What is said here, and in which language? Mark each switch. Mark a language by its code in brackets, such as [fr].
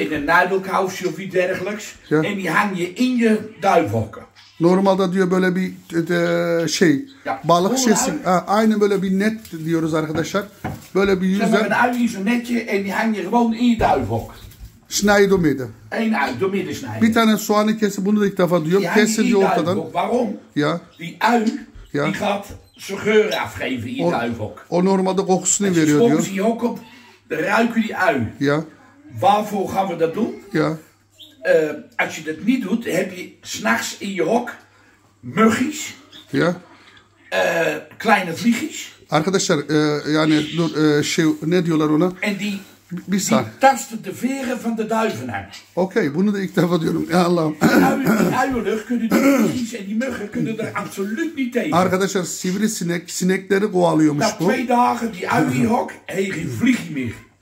[nl] in een nadelkousje of iets dergelijks ja. En die hang je in je duifhokken. [tr] Normalde diyor böyle bir şey ya, balık şişesi aynı böyle bir net diyoruz arkadaşlar. Böyle bir yüzde. [nl] Sen maar een ui is een netje en die hang je gewoon in je duifhok. Snijden door midden. Eén ui door midden snijden. [tr] Bir tane soğanı kesip bunu da ilk defa duyuyorum. Kesin diyor ortadan. [nl] Waarom? Ja. Die ui ja. Die gaat zijn geur afgeven in je duifhok. [tr] O normalde kokusunu veriyor diyor. [nl] En soms zie je ook op de ruiken die ui. Ja. Waarvoor gaan we dat doen? Ja. Als je dat niet doet, heb je 's nachts in je hok muggies, ja. Kleine vliegjes. [tr] Arkadaşlar, yani, ne diyorlar ona? [nl] En die tasten de veren van de duiven aan. [tr] Okay, bunu da ilk defa diyorum. Ja, Allah'ım. [nl] Die uilucht kunnen die vliegjes en die muggen kunnen er absoluut niet tegen. [tr] Arkadaşlar, sivrisinek, sinekleri kovalıyormuş bu. [nl] Na twee dagen die ui in je hok, heeft geen vliegje meer.